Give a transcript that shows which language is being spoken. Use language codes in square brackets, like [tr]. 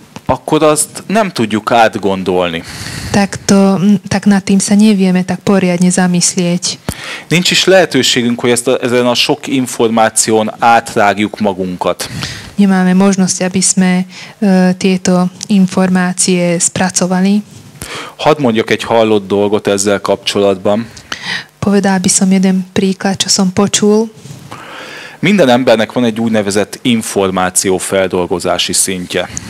[hu] akkor azt nem tudjuk átgondolni. [sk] Tak nad tým sa nevieme tak poriadne zamyslieť. [hu] Nincs is lehetőségünk, hogy ezen a sok információn átrágjuk magunkat. [sk] Nemáme možnosť, aby sme tieto informácie spracovali. [hu] Hadd mondjak egy hallott dolgot ezzel kapcsolatban. [sk] Povedal by som jeden príklad, čo som počul. [hu] Minden embernek van egy úgynevezett információ feldolgozási szintje.